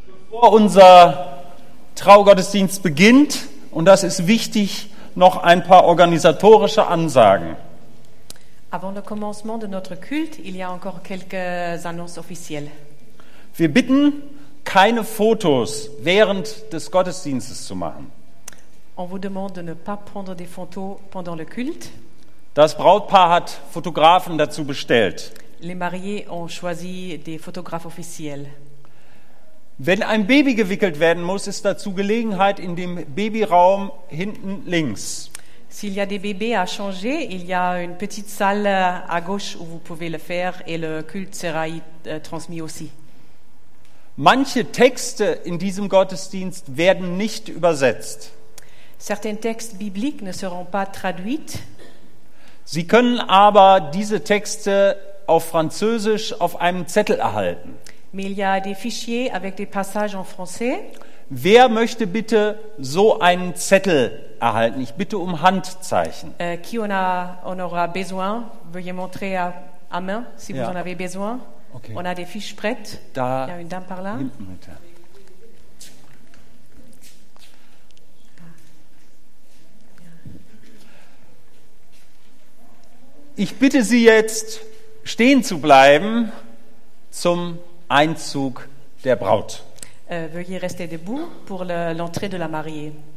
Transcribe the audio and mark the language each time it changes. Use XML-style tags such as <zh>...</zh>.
<de>unser Traugottesdienst beginnt, und das ist wichtig, noch ein paar organisatorische Ansagen.</de> <fr>Avant le commencement de notre culte, il y a encore quelques annonces officielles.</fr> <de>Wir bitten, keine Fotos während des Gottesdienstes zu machen.</de> <fr>On vous demande de ne pas prendre des photos pendant le culte.</fr> <de>Das Brautpaar hat Fotografen dazu bestellt.</de> <fr>Les mariés ont choisi des photographes officiels.</fr> <de>Wenn ein Baby gewickelt werden muss, ist dazu Gelegenheit in dem Babyraum hinten links.</de> <fr>S'il y a des bébés à changer, il y a une petite salle à gauche où vous pouvez le faire et le culte sera transmis aussi.</fr> <de>Manche Texte in diesem Gottesdienst werden nicht übersetzt.</de> <fr>Certains textes bibliques ne seront pas traduits.</fr> <de>Sie können aber diese Texte auf Französisch auf einem Zettel erhalten.</de> <fr>Mais il y a des fichiers avec des passages en français.</fr> <de>Wer möchte bitte so einen Zettel erhalten? Ich bitte um Handzeichen.</de> <fr>Qui en aura besoin? Veuillez montrer à main, si vous en avez besoin. Okay. On a des fiches prêtes.</fr> <de>Da,</de> <fr>il y a une dame par là.</fr> <de>Bitte. Ich bitte Sie jetzt, stehen zu bleiben zum Einzug der Braut.</de> <fr>Veuillez rester debout pour l'entrée de la mariée.</fr>